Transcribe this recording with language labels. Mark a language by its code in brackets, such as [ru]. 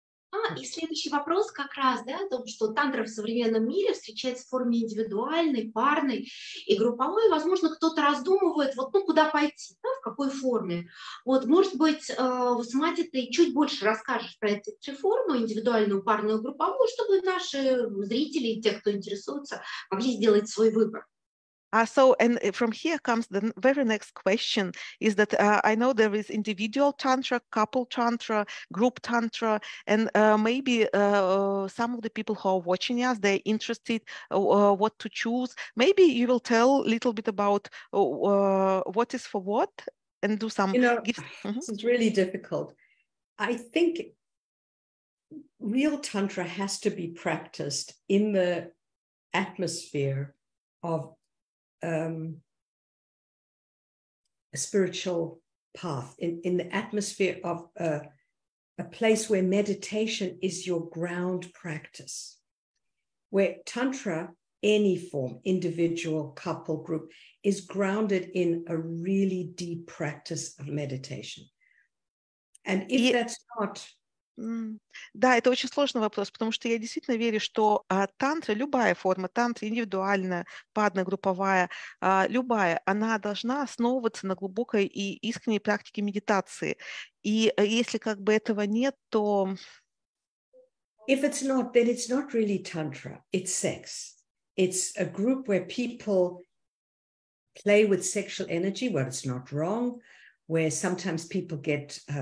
[ru] А, и следующий вопрос как раз, да, о том, что тантра в современном мире встречается в форме индивидуальной, парной и групповой. Возможно, кто-то раздумывает, вот, ну, куда пойти, да, в какой форме. Вот, может быть, с Мати ты чуть больше расскажешь про эти три формы, индивидуальную, парную, групповую, чтобы наши зрители, те, кто интересуется, могли сделать свой выбор. [en] So, and from here comes the very next question is that I know there is individual tantra, couple tantra, group tantra, and maybe some of the people who are watching us, they're interested what to choose. Maybe you will tell a little bit about what is for what and do some. You know, gifts. Mm-hmm. It's really difficult. I think real tantra has to be practiced in the atmosphere of a spiritual path in the atmosphere of a place where meditation is your ground practice, where tantra, any form, individual, couple, group, is grounded in a really deep practice of meditation. And if that's not... [ru] Да, это очень сложный вопрос, потому что я действительно верю, что тантра, любая форма тантра, индивидуальная, парная, групповая, любая, она должна основываться на глубокой и искренней практике медитации. И если как бы этого нет, то... [en] If it's not, then it's not really tantra, it's sex. It's a group where people play with sexual energy, where it's not wrong, where sometimes people get...